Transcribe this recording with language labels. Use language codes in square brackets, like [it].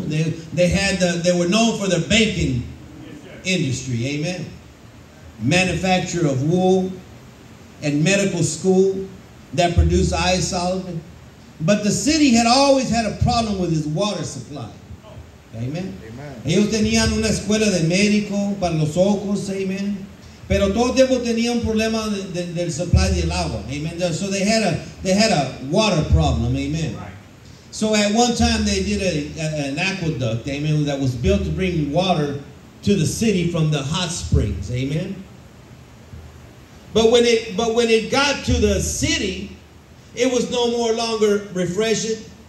[en] They were known for their banking industry. Amen. Manufacture of wool and medical school that produced eye solvent. But the city had always had a problem with its water supply. Amen. Amen. [es] Ellos tenían una escuela de médico para los ojos. Amen. Pero todo el tiempo tenían un problema del supply del agua. [en] Amen. So they had a water problem. Amen. Right. So at one time they did an aqueduct. Amen. That was built to bring water to the city from the hot springs. Amen. But when it got to the city, it was no more longer refreshing.